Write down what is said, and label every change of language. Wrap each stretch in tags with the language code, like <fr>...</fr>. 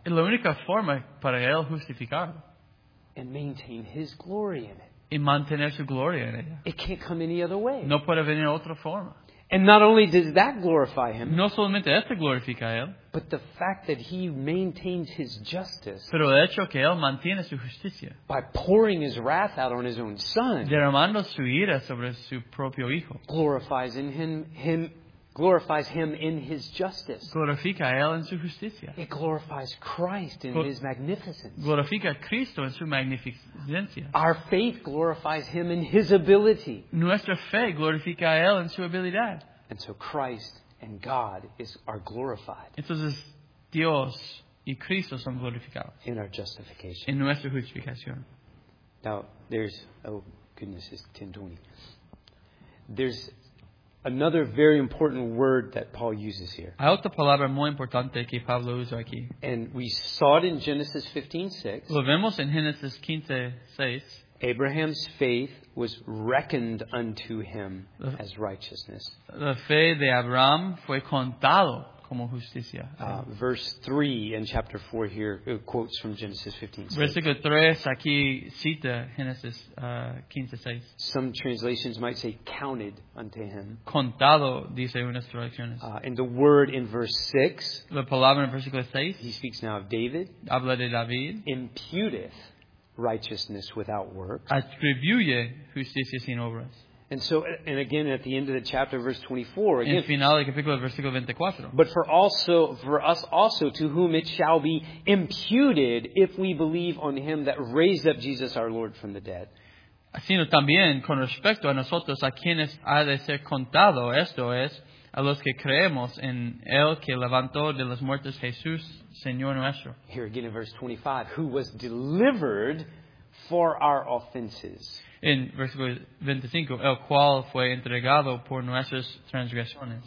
<es>y la única forma para él justificar</es> <en>and maintain his glory in it.</en> <es>Y mantener su gloria en ella.</es> <en>It can't come any other way.</en> <es>No puede venir otra forma.</es> <en>And not only does that glorify him,</en> <es>no solamente esto glorifica a él,</es> <en>but the fact that he maintains his justice,</en> <es>pero el hecho que él mantiene su justicia,</es> <en>by pouring his wrath out on his own son,</en> <es>derramando su ira sobre su propio hijo,</es> <en>glorifies him in his justice.</en> <es>Glorifica a él en su justicia.</es> <en>It glorifies Christ in his magnificence.</en> <es>Glorifica a Cristo en su magnificencia.</es> <en>Our faith glorifies him in his ability.</en> <es>Nuestra fe glorifica a él en su habilidad.</es> <en>And so Christ and God are glorified.</en> <es>Entonces Dios y Cristo son glorificados.</es> <en>In our justification.</en> <es>En nuestra justificación.</es> <en>Now there's, oh goodness, it's 10:20. There's another very important word that Paul uses here.</en> <es>Hay otra palabra muy importante que Pablo usa aquí.</es> <en>And we saw it in Genesis 15:6.</en> <es>Lo vemos en Génesis 15:6.</es> <en>Abraham's faith was reckoned unto him as righteousness.</en> <es>La fe de Abraham fue contado como justicia.</es> <en>Verse 3 in chapter 4 here quotes from Genesis 15:6.</en> <es>Versículo 3 aquí cita Génesis 15:6.</es> <en>Some translations might say counted unto him.</en> <es>Contado, dice unas traducciones.</es> <en>And the word in verse 6.</en> <es>La palabra en versículo 6.</es> <en>He speaks now of David.</en> <es>Habla de David.</es> <en>Imputeth righteousness without works.</en> <es>Atribuye justicia sin obras.</es> <en>And so, and again, at the end of the chapter, verse 24. Again,</en> <es>en final, el capítulo, versículo 24.</es> <en>But for us also, to whom it shall be imputed, if we believe on him that raised up Jesus our Lord from the dead.</en> <es>Sino también con respecto a nosotros, a quienes ha de ser contado, esto es, a los que creemos en el que levantó de los muertos Jesús, Señor nuestro.</es> <en>Here again in verse 25, who was delivered for our offenses.</en> <es>In versículo 25, el cual fue entregado por nuestras transgresiones.</es>